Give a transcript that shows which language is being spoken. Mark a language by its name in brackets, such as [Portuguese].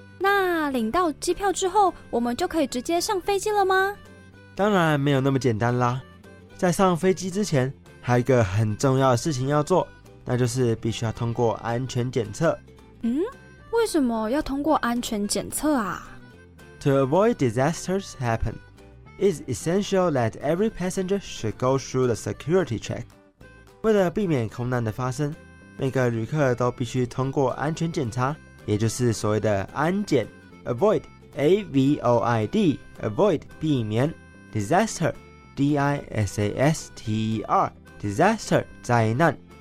[Chinese] 那领到机票之后，我们就可以直接上飞机了吗？当然没有那么简单啦，在上飞机之前还有一个很重要的事情要做，那就是必须要通过安全检测。嗯，为什么要通过安全检测啊？ [English] To avoid disasters happen,It's essential that every passenger should go through the security check. [Chinese] 为了避免空难的发生，每个旅客都必须通过安全检查，也就是所谓的安检。 [English] Avoid, A-V-O-I-D, avoid, [Chinese] 避免。 [English] Disaster, D-I-S-A-S-T-E-R, disaster, [Chinese] 灾难。